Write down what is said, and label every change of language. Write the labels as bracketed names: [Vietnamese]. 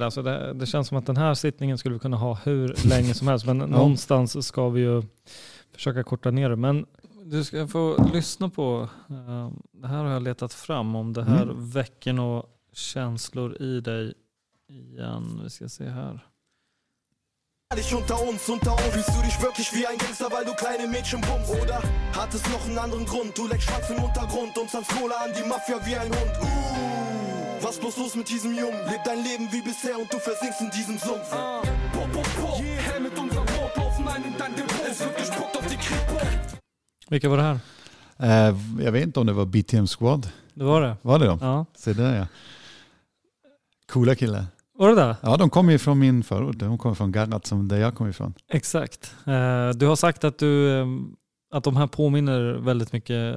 [Swedish] Alltså det känns som att den här sittningen skulle vi kunna ha hur länge som helst. Men ja. Någonstans ska vi ju försöka korta ner det. Men du ska få lyssna på, det här har jag letat fram, om det här väcker några känslor i dig igen. Vi ska se här. [German] Dich unter uns, unter uns. Fühlst du dich wirklich wie ein Gangster, weil du kleine Mädchen bummst? Oder hat es noch einen anderen Grund? Du leckst Schwanz im Untergrund und zahlst Kohle an die Mafia wie ein Hund. Was bloß los mit diesem Jungen? Leb dein Leben wie bisher und du versinkst in diesem Sumpf. Po, po, po. Yeah. Hey, mit unserem Brot laufen ein in dein Depot. Es wird gespuckt auf die Kripo. [Swedish] Vilka var det här? Jag vet inte om det var BTM Squad. Det var det. Var det de? Ja. Se där, ja. Coola kille. Var det där? Ja, de kommer ju från min förort. De kommer från Garnat som där jag kommer ifrån. Exakt. Du har sagt att att de här påminner väldigt mycket.